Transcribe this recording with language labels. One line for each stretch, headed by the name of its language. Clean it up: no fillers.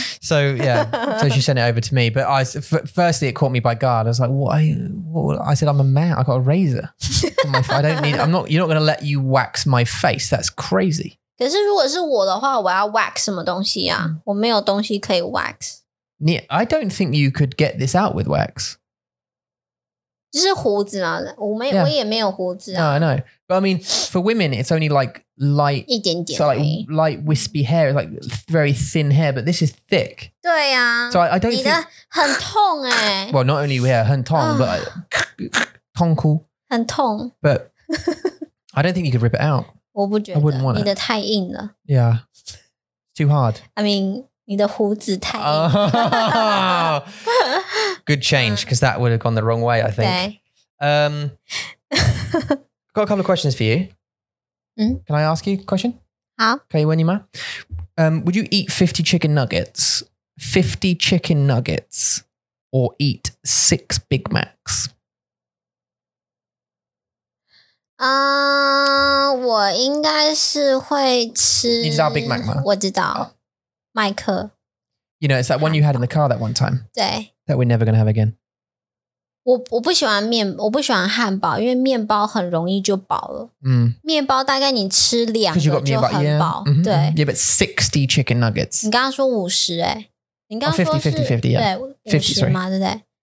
English: So yeah, so she sent it over to me But firstly it caught me by guard I was like, I said I'm a man, I got a razor You're not going to let you wax my face, that's crazy
Chinese: 可是如果是我的话我要 wax 什么东西啊、mm. 我没有东西可以 wax
English: yeah, I don't think you could get this out with wax
Chinese: 就是胡子嘛，我也没有胡子啊。
English: No, I know. But I mean, for women, it's only like light,
Chinese: 一点点
English: so like light wispy hair, it's like very thin hair, but this is thick.
Chinese: 对啊。
English: So I don't
Chinese: 你的
English: think,
Chinese: 很痛耶、欸。
English: Well, not only hair,
Chinese: 很痛、
English: but 痛苦。
Chinese: 很痛。
English: But I don't think you could rip it out.
Chinese: 我不觉得。
English: I wouldn't want
Chinese: 你的太硬了。
English: Yeah. It's too hard. I mean,
Chinese: 你的胡子太硬了。 Oh.
English: Good change, because that would have gone the wrong way, I think. Okay. got a couple of questions for you. Mm? Can I ask you a question? How? Okay, when you mind. Would you eat 50 chicken nuggets, 50 chicken nuggets, or eat 6 Big Macs?
Chinese: 我应该是会吃... 你知道 Big Mac 吗? 我知道。麦克。
English: You know, it's that one you had in the car that one time.
Chinese: 对。
English: That we're never going to have again.
Chinese: 我不喜欢面，我不喜欢汉堡，因为面包很容易就饱了。 Mm. 面包大概你吃两个就很饱。 Mm-hmm. 对。
English: Yeah, but 60 chicken nuggets.
Chinese: 你刚刚说五十哎，你刚刚说是
English: 50, 50, 50,
Chinese: 对五十嘛，对不对？